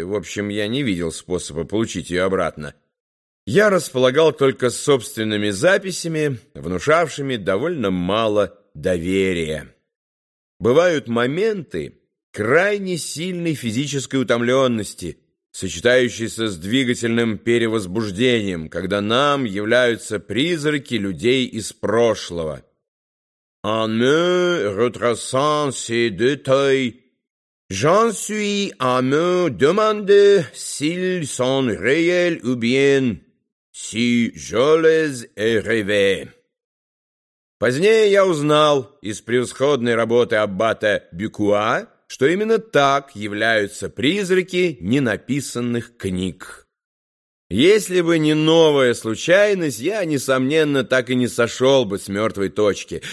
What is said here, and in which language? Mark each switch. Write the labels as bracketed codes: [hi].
[ru] В общем, я не видел способа получить ее обратно. Я располагал только собственными записями, внушавшими довольно мало доверия. Бывают моменты крайне сильной физической утомленности, сочетающейся с двигательным перевозбуждением, когда нам являются призраки людей из прошлого. [fr] «En me retraçant ces détails, j'en suis à me demander s'ils sont réels ou bien...» «Си жолез и реве». [ru] Позднее я узнал из превосходной работы аббата Бюкуа, что именно так являются призраки ненаписанных книг. Если бы не новая случайность, я, несомненно, так и не сошел бы с мертвой точки.